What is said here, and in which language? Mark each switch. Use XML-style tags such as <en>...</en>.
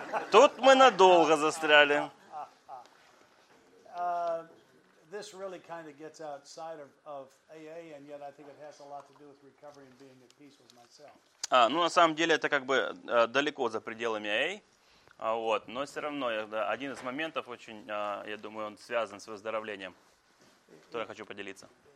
<ru>Тут мы надолго застряли.</ru> <en>This really kind of gets outside of AA, and yet I think it has a lot to do with recovery and being at peace with myself.</en> <ru>Ну на самом деле это как бы далеко за пределами AA. Вот. Но все равно один из моментов очень, я думаю, он связан с выздоровлением, который я хочу поделиться.</ru>